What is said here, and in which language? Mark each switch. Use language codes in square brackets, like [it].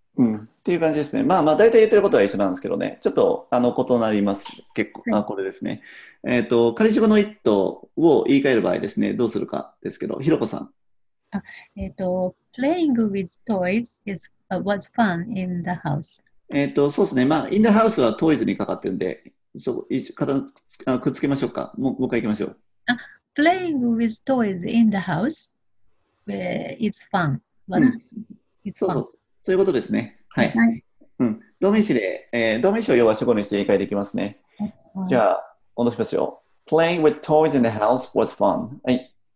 [ja] うん、っていう感じですね。まあまあ大体言ってることは一緒なんですけどね。ちょっと異なります。結構、はい、これですね。仮主語の it を言い換える場合ですね、どうするかですけど、ひろこさん。 [en] playing with toys is was fun in the house. [ja] そうですね。まあ、 [en] in the house [ja] はトイズにかかってるんで、そう、くっつけましょうか。もう一回いきましょう。 [en] Playing with toys in the house is fun. [ja] そうそう。そういうことですね。はい。はい、うん。動名詞で、動名詞を要は主語にして言い換えできますね。はい、じゃあ、戻しますよ。 [en] Playing with toys in the house was fun. はい。